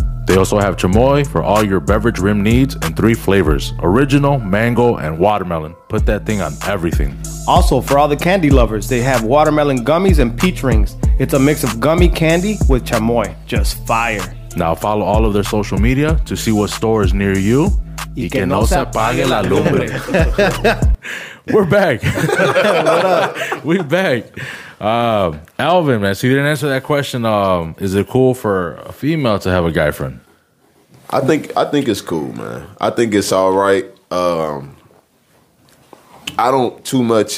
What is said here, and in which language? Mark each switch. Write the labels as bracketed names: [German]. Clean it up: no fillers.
[English] They also have chamoy for all your beverage rim needs and three flavors, original, mango, and watermelon. Put that thing on everything. Also, for all the candy lovers, they have watermelon gummies and peach rings. It's a mix of gummy candy with chamoy. Just fire. Now follow all of their social media to see what store is near you. [Spanish] Y que no se apague la lumbre. [English] We're back. What up? We're back. Alvin, man, so you didn't answer that question. Is it cool for a female to have a guy friend? I think it's cool, man. I think it's all right. I don't too much.